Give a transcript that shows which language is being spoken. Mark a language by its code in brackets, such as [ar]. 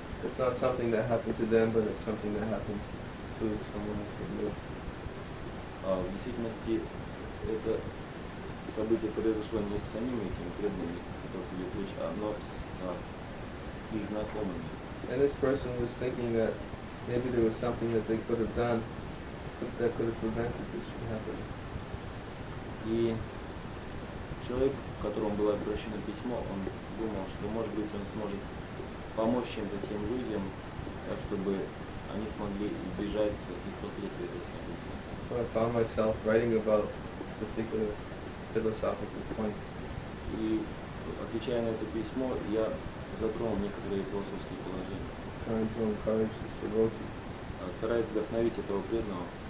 [en] It's not something that happened to them, but it's something that happened to someone who knew. [ru] В действительности, это событие произошло не с самими этими бедными, но с их знакомыми. [en] And this person was thinking that maybe there was something that they could have done that could have prevented this from happening. [ru] И человек, к которому было обращено письмо, он думал, что, может быть, он сможет помочь чем-то тем людям, так, чтобы они смогли избежать каких-то последствий этого события. [en] So I found myself writing about a particular philosophical point. [ru] И, отвечая на это письмо, я затронул некоторые философские положения. [en] Trying to encourage this devotee. [ru] Стараясь вдохновить этого преданного.